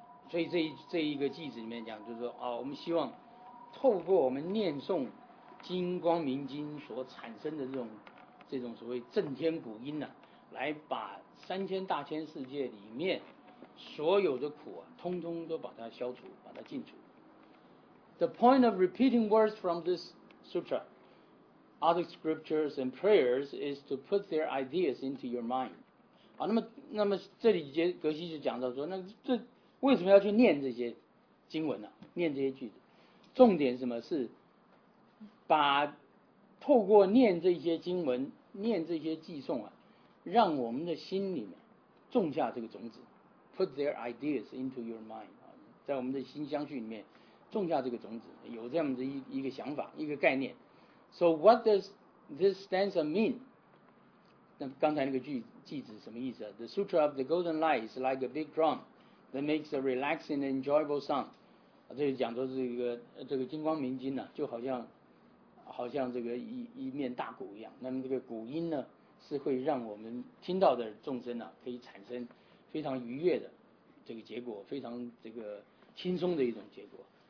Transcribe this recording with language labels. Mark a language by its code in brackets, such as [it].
[zh] 这一个偈子里面讲，就是说啊，我们希望透过我们念诵《金光明经》所产生的这种所谓震天古音呢、啊，来把3,000大千世界里面所有的苦啊，通通都把它消除，把它净除。 [en] The point of repeating words from this sutra. Other scriptures and prayers is to put their ideas into your mind. [zh] 好，那么这里格西就讲到说，那这为什么要去念这些经文呢、啊？念这些句子，重点是什么？是把透过念这些经文、念这些偈颂啊，让我们的心里面种下这个种子 ， [en] put their ideas into your mind [zh] 啊，在我们的心相续里面种下这个种子，有这样的一个想法、一个概念。 [en] So what does this stanza mean? [zh] 那刚才那个句子什么意思啊？ [en] The Sutra of the Golden Light is like a big drum that makes a relaxing and enjoyable sound. [zh] 这就讲说这个金光明金呢、啊，就好像这个一面大鼓一样。那么这个鼓音呢，是会让我们听到的众生呢、啊，可以产生非常愉悦的这个结果，非常这个轻松的一种结果。